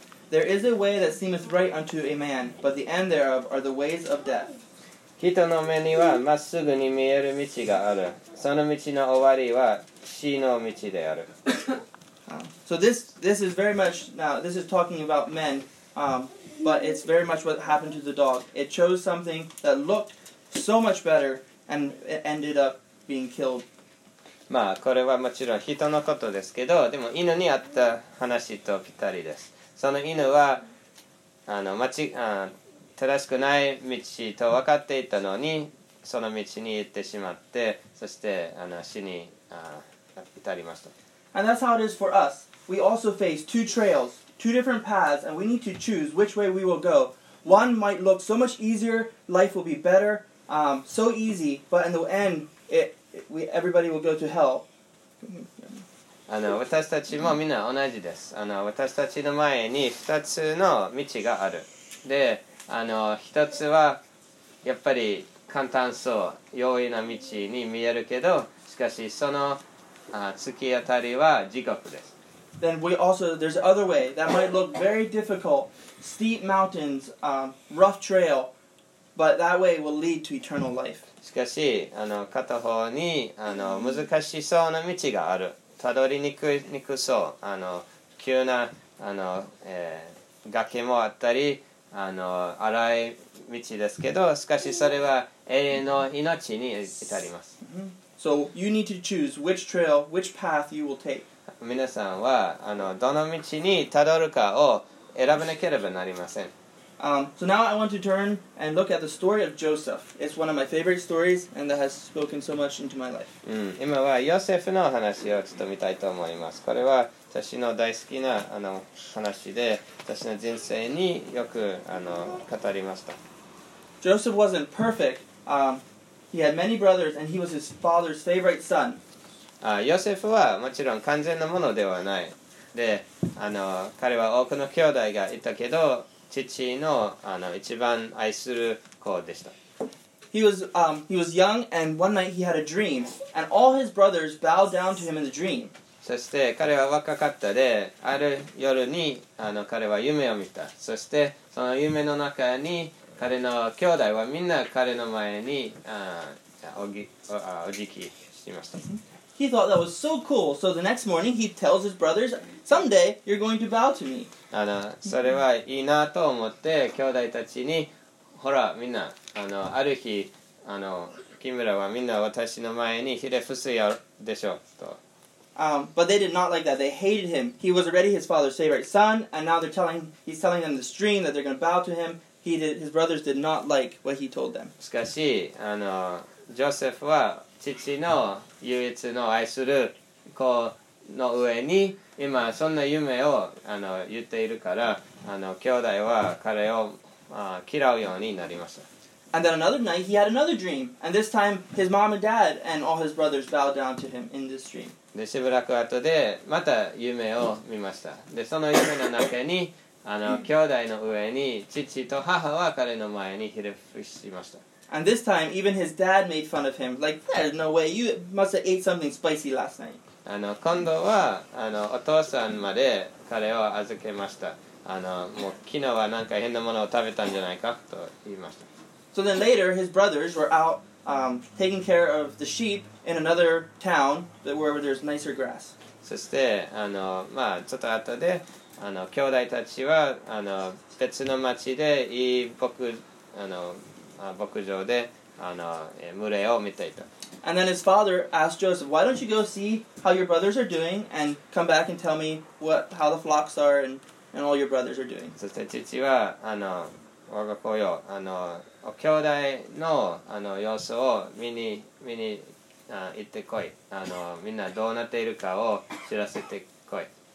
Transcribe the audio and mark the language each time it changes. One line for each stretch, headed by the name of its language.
English: There is a way that seemeth right unto a man, but the end thereof are the ways of death.
Japanese: 人の目にはまっすぐに見える道がある。その道の終わりは死の道である。
English: So this is very much, now this is talking about men, but it's very much what happened to the dog. It chose something that looked so much better, and ended up being killed.
Japanese: まあこれはもちろん人のことですけど、でも犬にあった話とぴったりです。その犬はあの正しくない道と分かっていたのに、その道に行ってしまって、そしてあの死に至りました。
English: And that's how it is for us. We also face two trails, two different paths, and we need to choose which way we will go. One might look so much easier, life will be better, so easy, but in the end, everybody will go to hell.
Japanese: あの私たちもみんな同じです。あの私たちの前に二つの道がある。で、あの一つはやっぱり簡単そう、容易な道に見えるけど、しかしその突き当たりは地獄です。
English: Then we also, there's other way that might look very difficult, steep mountains, rough trail, but that way will lead to eternal life.
Japanese: しかし、あの片方にあの難しそうな道がある。たどりにくそう。あの急なあの、崖もあったり、あの荒い道ですけど、しかしそれは永遠の命に至ります。
English: So you need to choose which trail, which path you will take.
Japanese: 皆さんはあのどの道にたどるかを選ばなければなりません。
English: So now I want to turn and look at the story of Joseph. It's one of my favorite stories and that has spoken so much into my life.
Japanese: 今はヨセフの話をちょっと見たいと思います。これは私の大好きなあの話で、私の人生によくあの語りました。
English: Joseph wasn't perfect. He had many brothers and he was his father's favorite son.
Japanese: ヨセフはもちろん完全なものではない。で、あの彼は多くの兄弟がいたけど、父の、あの、一番愛する子でした。
English: He was young, and one night he had a dream, and all his brothers bowed down to him in the dream.
Japanese: そして彼は若かったで、ある夜にあの彼は夢を見た。そしてその夢の中に彼の兄弟はみんな彼の前にお辞儀しました。
English: He thought that was so cool. So the next morning, he tells his brothers, "Someday, you're going to bow to me."
Japanese: あの、それはいいなと思って、兄弟たちに、ほら、みんな、あの、ある日、あの、木村はみんな私の前にひれ伏すやでしょうと。
English: But they did not like that. They hated him. He was already his father's favorite son, and now he's telling them this dream that they're going to bow to him. His brothers did not like what he told them.
Japanese: しかし、あの、ジョセフは父の唯一の愛する子の上に今そんな夢をあの言っているから、あの兄弟は彼を嫌うようになりました。
English: And then another night he had another dream, and this time his mom and dad and all his brothers bowed down to him in this dream.
Japanese: でしばらく後でまた夢を見ました。でその夢の中にあの兄弟の上に父と母は彼の前にひれ伏しました。
English: And this time, even his dad made fun of him. Like, there's no way. You must have ate something spicy last night.
Japanese: あの、今度は、あの、お父さんまで彼を預けました。あの、もう、昨日はなんか変なものを食べたんじゃないかと言いました。
English: So then later, his brothers were out, taking care of the sheep in another town where there's nicer grass.
Japanese: そして、あの、まあ、ちょっと後で、あの、兄弟たちは、あの、別の町でいい牧、あの、牧場で、あの、群れを見ていた。
English: And then his father asked Joseph, "Why don't you go see how your brothers are doing and come back and tell me how the flocks are and all your brothers are doing?"
Japanese: そして父は、あの、我が子よ、あの、お兄弟の、あの、様子を見に、行ってこい。あの、みんなどうなっているかを知らせてこい。